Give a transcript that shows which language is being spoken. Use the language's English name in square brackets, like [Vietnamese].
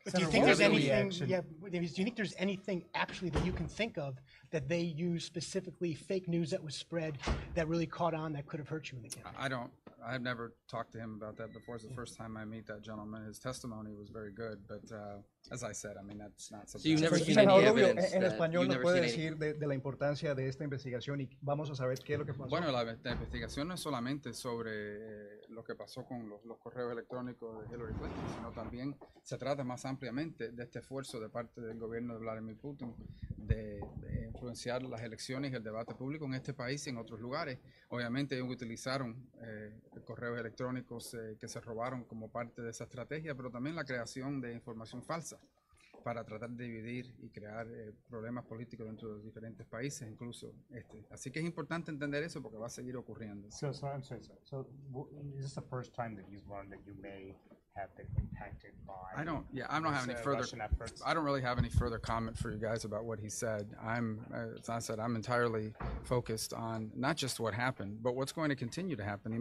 [English] But do you think there's anything, do you think there's anything actually that you can think of that they use specifically, fake news that was spread that really caught on that could have hurt you in the campaign? I've never talked to him about that before. It's the first time I meet that gentleman. His testimony was very good, but as I said, I mean, that's not something. So you've never seen any evidence that you've never [Spanish] En español no puede decir de la importancia de esta investigación y vamos a saber qué es lo que pasó. Bueno, la investigación no es solamente sobre lo que pasó con los correos electrónicos de Hillary Clinton, sino también se trata más ampliamente de este esfuerzo de parte del gobierno de Vladimir Putin de influenciar las elecciones y el debate público en este país y en otros lugares. Obviamente ellos utilizaron correos electrónicos que se robaron como parte de esa estrategia, pero también la creación de información falsa para tratar de dividir y crear problemas políticos dentro de los diferentes países, incluso este. Así que es importante entender eso porque va a seguir ocurriendo. [English] So, is this the first time that you've learned that you may have been impacted by? I don't really have any further comment for you guys about what he said. I'm entirely focused on not just what happened, but what's going to continue to happen.